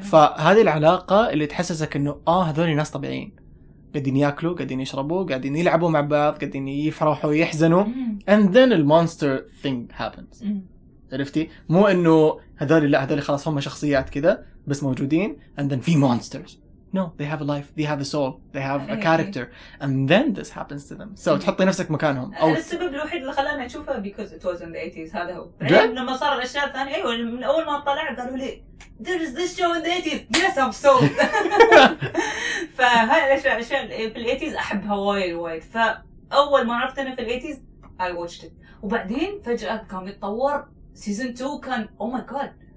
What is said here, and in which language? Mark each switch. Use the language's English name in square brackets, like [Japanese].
[Arabic] فهذه العلاقة اللي تحسسك إنه هذول ناس طبيعيين قاعدين يأكلوا قاعدين يشربوا قاعدين يلعبوا مع بعض قاعدين يفرحوا يحزنوا. [English] And then the monster thing happens. [Arabic] عرفتي مو إنه هذول لا هذول خلاص هم شخصيات كذا بس موجودين [English] and then [Arabic] في monsters. [English] No they have a life they have a soul they have a character and then this happens to them so [Arabic] تحطي نفسك مكانهم. أو السبب الوحيد اللي خلاني أشوفها [English] because it was in the 80s [Arabic] هذا هو. بعدين لما صار الأشياء الثانية أيوة من أول ما طلع قالوا لي [English] there is this show in the 80s yes I'm sold. [Arabic] فهاي الأشياء في الـ80s أحبها وايد وايد. فأول ما عرفت أنا في الـ80s [English] I watched it [Arabic] وبعدين فجأة كان يتطور season 2 كان [English] oh my god.